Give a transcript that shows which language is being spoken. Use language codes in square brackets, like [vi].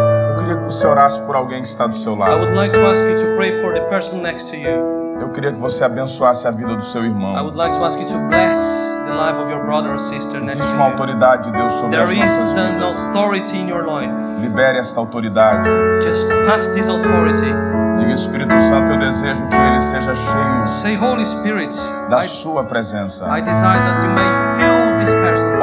[pt] eu queria que você orasse por alguém que está do seu lado. [en] I would like to ask you to pray for the person next to you. [pt] Eu queria que você abençoasse a vida do seu irmão. [en] I would like to ask you to bless the life of your brother or sister next to you. [pt] Existe uma autoridade de Deus sobre [en] there [pt] as nossas vidas. [en] There is an authority in your life. [pt] Libere esta autoridade. [en] Just pass this authority. [pt] Diga, Espírito Santo, eu desejo que ele seja cheio. [en] Say, Holy Spirit, [pt] da sua presença. [en] I desire that you may fill this person.